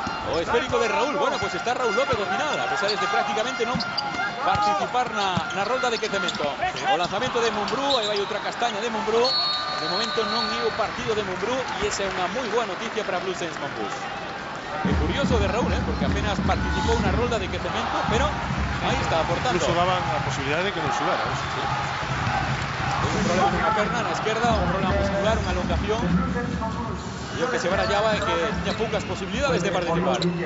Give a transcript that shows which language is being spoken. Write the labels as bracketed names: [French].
[Galician] O esférico de Raúl, [Spanish] bueno, pues está Raúl López al final, a pesar de prácticamente [Galician] non participar na ronda de quecemento. O lanzamento de Mombrú, aí vai outra castaña de Mombrú. De momento non é o partido de Mombrú e esa é unha moi boa noticia para Blue Saints Mombus. [Spanish] Es curioso de Raúl, ¿eh? Porque apenas participó una ronda de crecimiento, pero ahí está aportando. Incluso daban la posibilidad de que nos sudara, ¿eh? Sí. Es un problema en la perna, en la izquierda, un problema muscular, una elongación. Y que se va a llevar que tenía pocas posibilidades de participar.